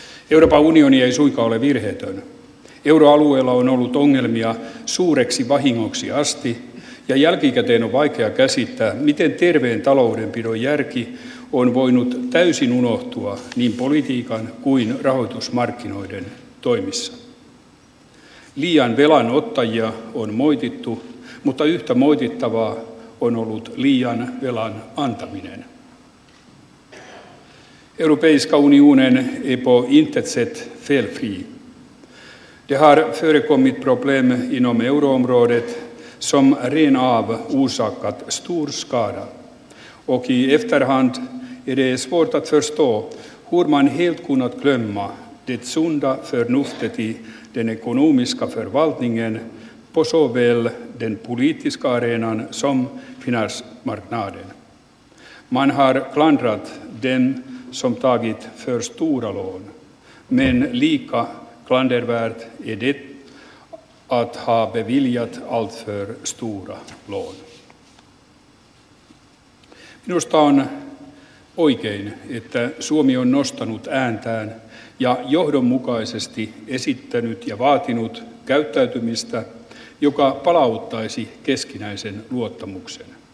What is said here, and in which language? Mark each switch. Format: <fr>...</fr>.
<fi>Euroopan unioni ei suinkaan ole virheetön. Euroalueella on ollut ongelmia suureksi vahingoksi asti, ja jälkikäteen on vaikea käsittää, miten terveen taloudenpidon järki on voinut täysin unohtua niin politiikan kuin rahoitusmarkkinoiden toimissa. Liian velan ottajia on moitittu, mutta yhtä moitittavaa on ollut liian velan antaminen.</fi> <sv>Europeiska unionen är på intet sätt felfri. Det har förekommit problem inom euroområdet som ren av orsakat stor skada. Och i efterhand är det svårt att förstå hur man helt kunnat glömma det sunda förnuftet i den ekonomiska förvaltningen på såväl den politiska arenan som finansmarknaden. Man har klandrat den som tagit för stora lån, men lika klandervärt är det att ha beviljat allt för stora lån.</sv> <fi>Minusta on oikein, että Suomi on nostanut ääntään ja johdonmukaisesti esittänyt ja vaatinut käyttäytymistä, joka palauttaisi keskinäisen luottamuksen.</fi>